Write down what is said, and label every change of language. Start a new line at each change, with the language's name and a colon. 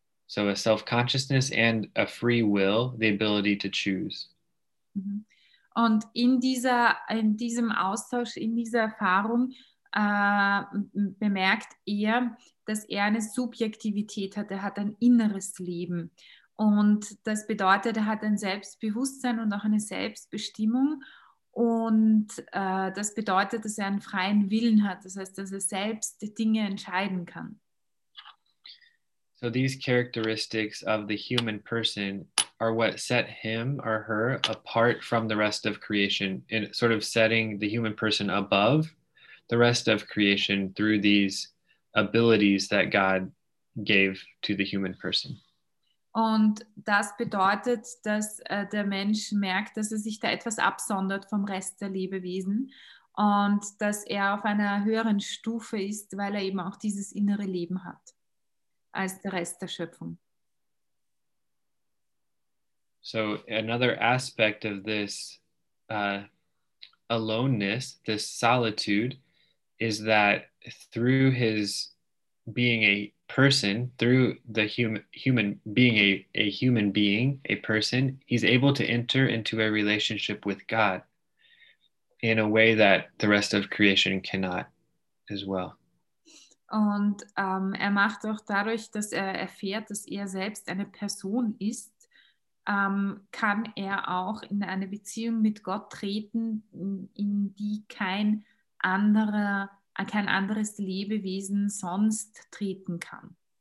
English: So a self-consciousness and a free will, the ability to choose.
German: Und in diesem Austausch, in dieser Erfahrung, bemerkt er, dass er eine Subjektivität hat, er hat ein inneres Leben. Und das bedeutet, er hat ein Selbstbewusstsein und auch eine Selbstbestimmung. Und das bedeutet, dass er einen freien Willen hat. Das heißt, dass er selbst Dinge entscheiden kann.
English: So these characteristics of the human person are what set him or her apart from the rest of creation, in sort of setting the human person above the rest of creation through these abilities that God gave to the human person.
German: Und das bedeutet, dass der Mensch merkt, dass er sich da etwas absondert vom Rest der Lebewesen und dass er auf einer höheren Stufe ist, weil er eben auch dieses innere Leben hat als der Rest der Schöpfung.
English: So another aspect of this aloneness, this solitude, is that through his being a person, through the human being a human being, a person, he's able to enter into a relationship with God. in a way that the rest of creation cannot as well.
German: Und er macht auch dadurch, dass er erfährt, dass er selbst eine Person ist, kann er auch in eine Beziehung mit Gott treten, in die kein anderes Lebewesen sonst treten kann.